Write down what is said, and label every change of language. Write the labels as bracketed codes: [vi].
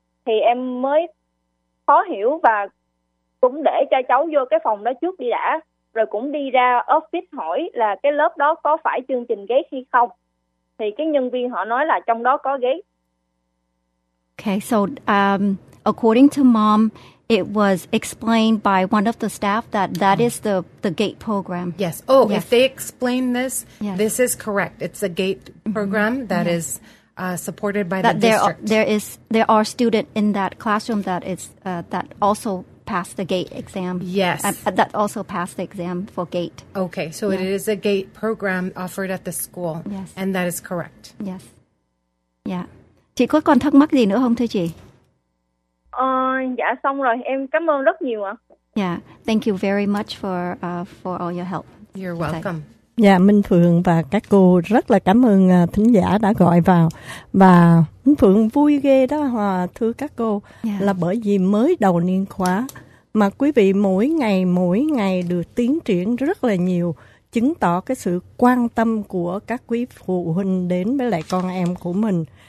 [vi] Thì em mới khó hiểu và cũng để cho cháu vô cái phòng đó trước đi đã. Rồi cũng đi ra office hỏi là cái lớp đó có phải chương trình ghế hay không. Thì cái nhân viên họ nói là trong đó có ghế. [en] Okay, so according to mom, it was explained by one of the staff that is the GATE program. Yes. Oh, yes. If they explain this, yes. This is correct. It's a GATE program mm-hmm. that yes. is supported by that the district. There are students in that classroom that is that also passed the GATE exam. Yes. That also passed the exam for GATE. Okay. So yes. It is a GATE program offered at the school. Yes. And that is correct. Yes. Yeah. [vi] Chị có còn thắc mắc gì nữa không thưa chị? Dạ xong rồi, em cảm ơn rất nhiều ạ. [en] Yeah, thank you very much for all your help. You're welcome. [vi] Dạ, Minh Phượng và các cô rất là cảm ơn thính giả đã gọi vào. Và Minh Phượng vui ghê đó, thưa các cô, là bởi vì mới đầu niên khóa mà quý vị mỗi ngày được tiến triển rất là nhiều, chứng tỏ cái sự quan tâm của các quý phụ huynh đến với lại con em của mình.